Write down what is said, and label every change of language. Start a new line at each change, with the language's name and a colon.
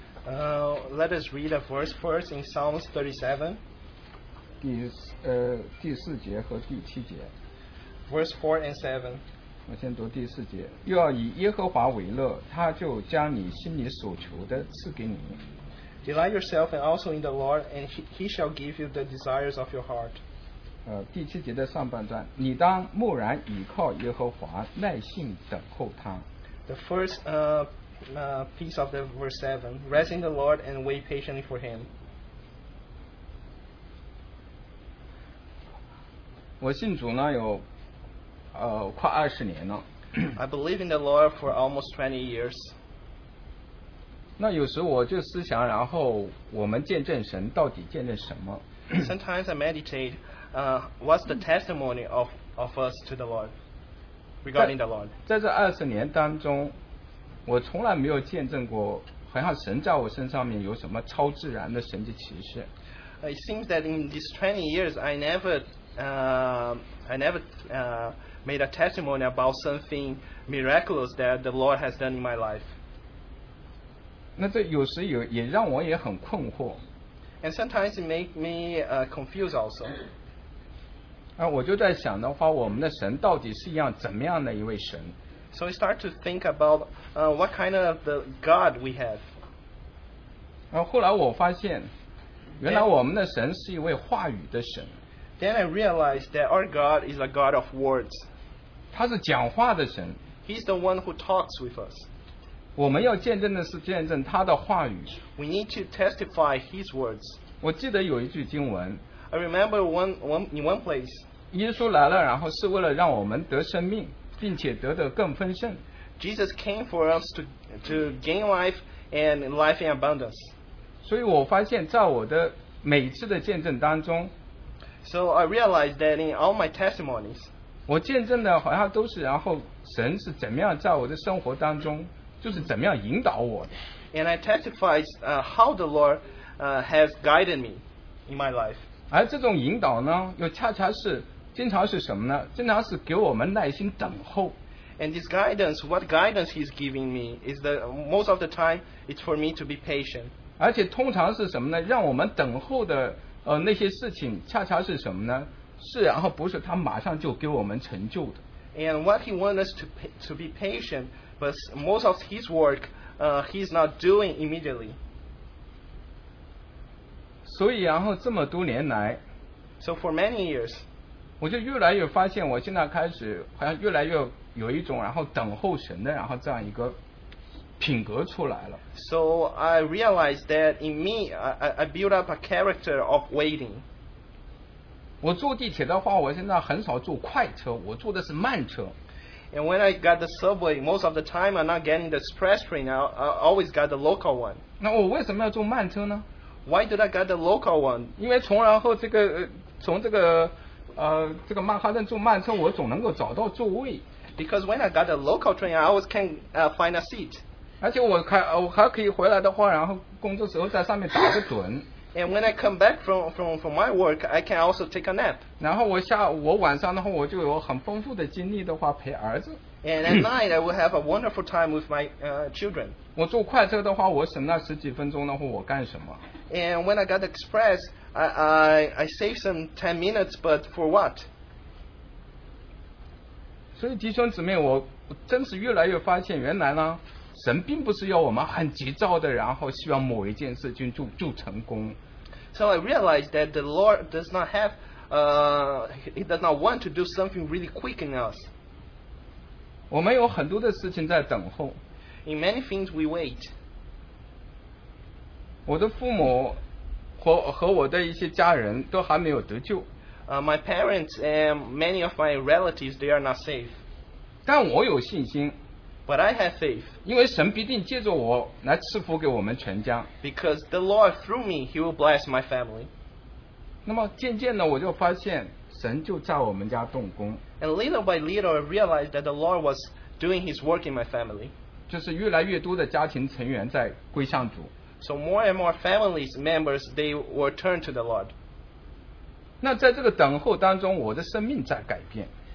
English: Let us read a verse first in Psalms 37.
Chinese: 第四节和第七节。
English: Verse 4 and 7.
Chinese: 我先读第四节。又要以耶和华为乐，他就将你心里所求的赐给你。
English: Delight yourself and also in the Lord, and he shall give you the desires of your heart.
Chinese: 第七节的上半段，你当默然倚靠耶和华，耐性等候他。
English: The first piece of the verse 7, rest in the Lord and wait patiently for him.
Chinese: 我信主呢有快二十年了。
English: I believe in the Lord for almost 20 years.
Chinese: 那有时我就思想，然后我们见证神到底见证什么。
English: Sometimes I meditate, what's the testimony of us to the Lord, regarding the Lord?
Chinese: 在这二十年当中，我从来没有见证过好像神在我身上面有什么超自然的神迹奇事。
English: It seems that in these 20 years, I never made a testimony about something miraculous that the Lord has done in my life.
Chinese: 那这有时也让我也很困惑。
English: And sometimes it makes me confused also.
Chinese: 我就在想的话，我们的神到底是一样怎么样的一位神。
English: So I start to think about what kind of the God we have.
Chinese: 后来我发现，原来我们的神是一位话语的神。
English: Then I realized that our God is a God of words.
Chinese: 他是讲话的神。
English: He's the one who talks with us.
Chinese: 我们要见证的是见证他的话语。
English: We need to testify his words.
Chinese: 我记得有一句经文。
English: I remember in one place.
Chinese: 耶稣来了，然后是为了让我们得生命，并且得的更丰盛。
English: Jesus came for us to gain life and life in abundance.
Chinese: 所以我发现在我的每次的见证当中，
English: So I realized that in all my testimonies,
Chinese: 我见证的好像都是，然后神是怎么样在我的生活当中，就是怎么样引导我的。
English: And I testified how the Lord has guided me in my life.
Chinese: 而这种引导呢，又恰恰是经常是什么呢？经常是给我们耐心等候。
English: And this guidance, what guidance He's giving me, is the most of the time it's for me to be patient.
Chinese: 而且通常是什么呢？让我们等候的。那些事情恰恰是什么呢？是然后不是他马上就给我们成就的。
English: And what he wants us to be patient, but most of his work, he's not doing immediately.
Chinese: 所以然后这么多年来
English: ，So for many years,
Chinese: 我就越来越发现，我现在开始好像越来越有一种然后等候神的然后这样一个品格出来了。
English: So I realized that in me, I built up a character of waiting.
Chinese: 我坐地铁的话，我现在很少坐快车，我坐的是慢车。
English: And when I got the subway, most of the time I'm not getting the express train. I always got the local one.
Chinese: 那我为什么要坐慢车呢？
English: Why did I get the local one?
Chinese: 因为从然后这个从这个这个曼哈顿坐慢车，我总能够找到座位。
English: Because when I got the local train, I always can find a seat.
Chinese: 而且我还可以回来的话，然后工作时候在上面打个盹。
English: And when I come back from my work, I can also take a nap.
Chinese: 然后我晚上的话，我就有很丰富的精力的话陪儿子。
English: And at night, I will have a wonderful time with my children.
Chinese: 我坐快车的话，我省那十几分钟的话，我干什么？
English: And when I got the express, I save some 10 minutes, but for what?
Chinese: 所以弟兄姊妹，我真是越来越发现，原来呢，神并不是要我们很急躁的，然后希望某一件事情就成功。
English: So I realized that the Lord does not have, He does not want to do something really quick in us.
Chinese: 我们有很多的事情在等候。
English: In many things we wait.
Chinese: 我的父母和我的一些家人都还没有得救。
English: My parents and many of my relatives, they are not saved.
Chinese: 但我有信心。
English: But I have faith.
Chinese: 因为神必定借着我来赐福给我们全家。
English: Because the Lord through me, He will bless my family.
Chinese: 那么渐渐的我就发现神就在我们家动工。
English: And little by little, I realized that the Lord was doing His work in my family.
Chinese: 就是越来越多的家庭成员在归向主。
English: So more and more family members, they were turned to the Lord.
Chinese: 那在这个等候当中，我的生命在改变。